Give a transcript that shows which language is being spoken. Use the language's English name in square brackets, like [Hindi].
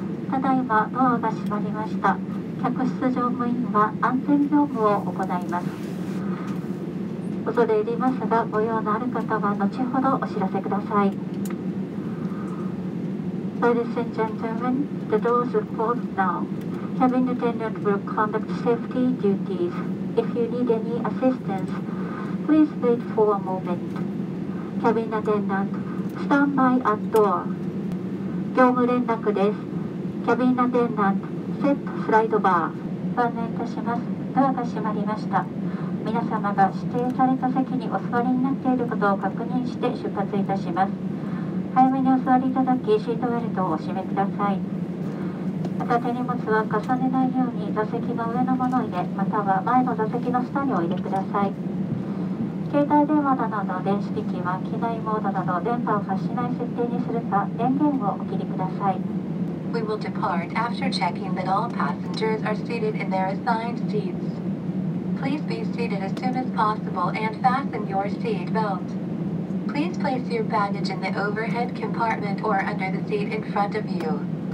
[Japanese] ただいまドアが閉まりました。客室乗務員は安全業務を行います。恐れ入りますが、ご用のある方は後ほどお知らせください。 [English] Ladies and gentlemen, the doors are closed now. Cabin attendant will conduct safety duties. If you need any assistance, please wait for a moment. Cabin attendant, stand by at door. [Japanese] 業務連絡です。 [English] Cabin attendant, set slide bar. [Japanese] ご案内いたします。ドアが閉まりました。皆様が指定された席にお座りになっていることを確認して出発いたします。早めにお座りいただき、シートベルトをお締めください。また手荷物は重ねないように座席の上のものを入れ、または前の座席の下にお入れください。携帯電話などの電子機器は機内モードなど電波を発しない設定にするか、電源をお切りください。 [English] We will depart after checking that all passengers are seated in their assigned seats. Please be seated as soon as possible and fasten your seat belt. Please place your baggage in the overhead compartment or under the seat in front of you.